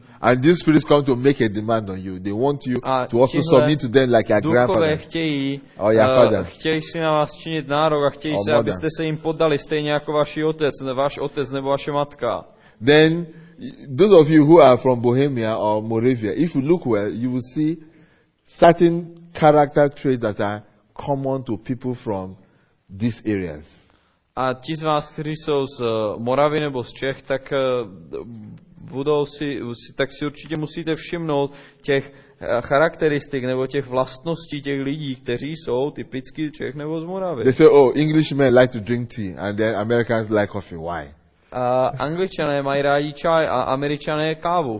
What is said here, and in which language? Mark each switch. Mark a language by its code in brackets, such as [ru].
[en] And these spirits come to make a demand on you. They want you to also submit to them like your grandfather. [cs] Chtějí si na vás činit nárok a chtějí se, abyste se jim poddali stejně jako váš otec nebo vaše matka. [en] Then those of you who are from Bohemia or Moravia, if you look well, you will see certain character traits that are common to people from these areas. [cs] A ti z vás, kteří jsou z Moravy nebo z Čech, tak si určitě musíte všimnout těch charakteristik nebo těch vlastností těch lidí, kteří jsou typicky Čech nebo z Moravy. [en] They say, oh, Englishmen like to drink tea and the Americans like coffee. Why? [cs] Angličané mají rádi čaj a Američané kávu.